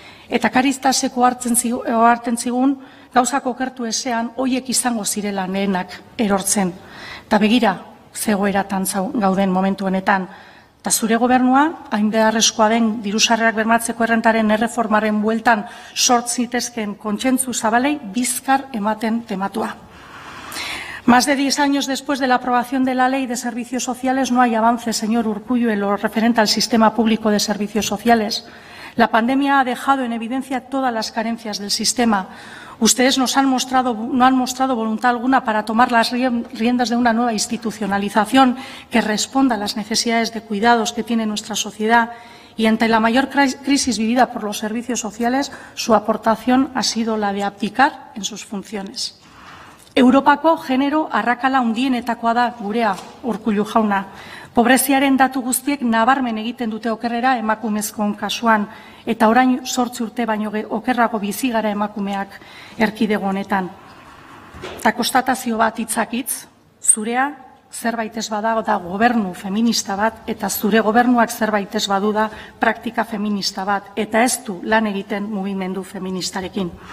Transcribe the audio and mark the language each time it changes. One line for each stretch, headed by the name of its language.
Basque: Eta Karitasek ohartzen zigun, gauzak okertu ezean, hoiek izango zirela lehenak erortzen. Eta begira, zegoeratan gauden momentu honetan. Eta zure gobernua, hain beharrezkoa den diru sarrerak bermatzeko errentaren erreformaren bueltan sort zitezkeen kontsentzu zabalei bizkar ematen tematua.
Spanish: Más de 10 años después de la aprobación de la Ley de Servicios Sociales, no hay avance, señor Urkullu, en lo referente al sistema público de servicios sociales. La pandemia ha dejado en evidencia todas las carencias del sistema. Ustedes no han mostrado voluntad alguna para tomar las riendas de una nueva institucionalización que responda a las necesidades de cuidados que tiene nuestra sociedad. Y ante la mayor crisis vivida por los servicios sociales, su aportación ha sido la de abdicar en sus funciones.
Basque: Europako genero arrakala handienetakoa da gurea, Urkullu jauna. Pobreziaren datu guztiek nabarmen egiten dute okerrera emakumezkoen kasuan, eta orain 8 urte baino okerrago bizi gara emakumeak erkidego honetan. Eta konstatazio bat hitzak hitz, zurea zerbait ez badago da gobernu feminista bat, eta zure gobernuak zerbait ez badu da praktika feminista bat, eta ez du lan egiten mugimendu feministarekin.